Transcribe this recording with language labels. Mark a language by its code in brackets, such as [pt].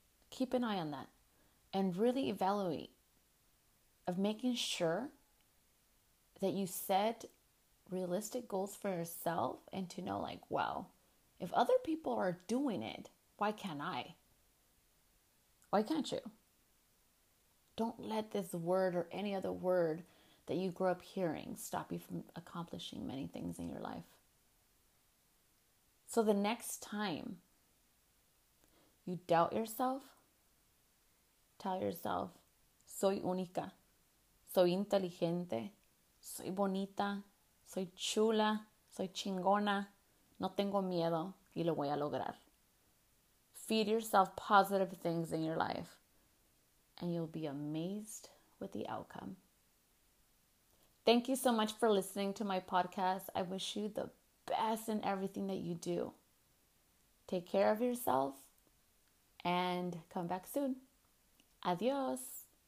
[en] Keep an eye on that and really evaluate of making sure that you set realistic goals for yourself and to know, like, well, if other people are doing it, why can't I? Why can't you? Don't let this word or any other word that you grew up hearing stop you from accomplishing many things in your life. So the next time you doubt yourself, tell yourself, [es] soy única, soy inteligente, soy bonita, soy chula, soy chingona, no tengo miedo, y lo voy a lograr. [en] Feed yourself positive things in your life, and you'll be amazed with the outcome. Thank you so much for listening to my podcast. I wish you the best in everything that you do. Take care of yourself, and come back soon. Adios.